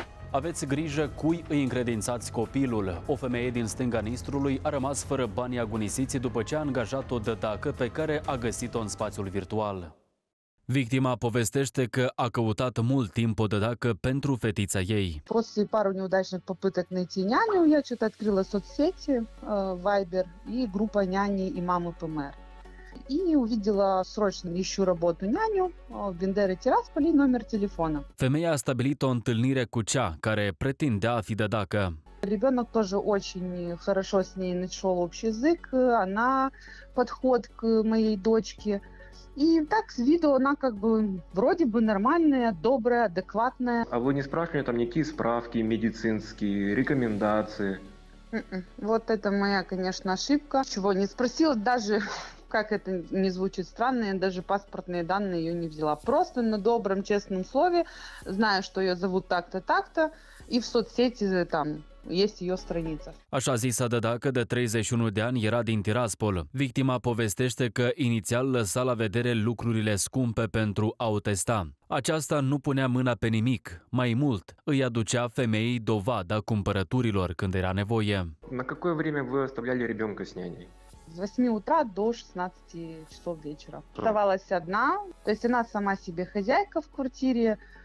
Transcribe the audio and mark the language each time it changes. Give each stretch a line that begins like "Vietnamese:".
Romanian: Aveți grijă cui îi încredințați copilul. O femeie din stânga Nistrului a rămas fără banii agonisiții după ce a angajat o dătacă pe care a găsit-o în spațiul virtual. Victima povestește că a căutat mult timp o dădacă pentru fetița ei.
Russian: После пару неудачных попыток найти няню, я что-то открыла соцсети, Viber и группа няни и мамы ПМР. И увидела срочно ищу работу няню в Бендере Тирасполе номер телефона.
Romanian: Femeia a stabilit o întâlnire cu cea care pretindea a fi dădacă.
Russian: Ребенок тоже очень хорошо с ней нашел общий язык, она подход к моей дочке. И так с виду она как бы вроде бы нормальная, добрая, адекватная. А вы не спрашивали там никакие справки медицинские, рекомендации? Вот это моя, конечно, ошибка. Чего не спросила, даже, как это не звучит странно, я даже паспортные данные ее не взяла. Просто на добром, честном слове, зная, что ее зовут так-то, так-то, и в соцсети там...
Romanian: Este o străniță. Așa zisă dădacă de 31 de ani era din Tiraspol. Victima povestește că inițial lăsa la vedere lucrurile scumpe pentru a o testa. Aceasta nu punea mâna pe nimic. Mai mult, îi aducea femeii dovada cumpărăturilor când era nevoie.
Russian: На какое время вы оставляли ребенка с няней? С 8 утра до 16 часов вечера. Оставалась одна, то есть она сама себе хозяйка в квартире.